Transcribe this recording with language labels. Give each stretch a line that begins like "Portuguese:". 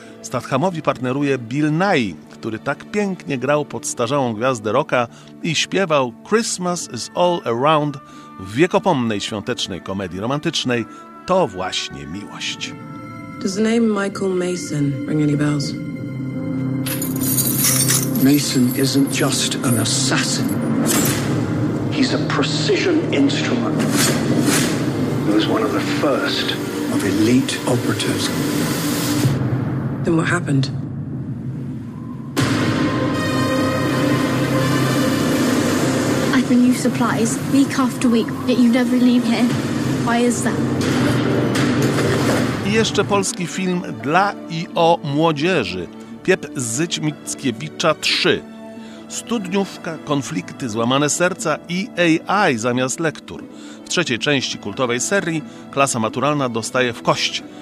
Polish: Stathamowi partneruje Bill Nighy, który tak pięknie grał pod starzałą gwiazdę rocka i śpiewał Christmas is all around w wiekopomnej świątecznej komedii romantycznej To właśnie miłość.
English: Does the name Michael Mason ring any bells? Mason isn't just an assassin. He's a precision instrument. He was one of the first of elite operatives. Then what happened? I bring you supplies week after week, yet you never leave here. Why is that?
Polish: I jeszcze polski film dla i o młodzieży. Piep Zyć Mickiewicza 3. Studniówka, konflikty, złamane serca i AI zamiast lektur. W trzeciej części kultowej serii klasa maturalna dostaje w kość.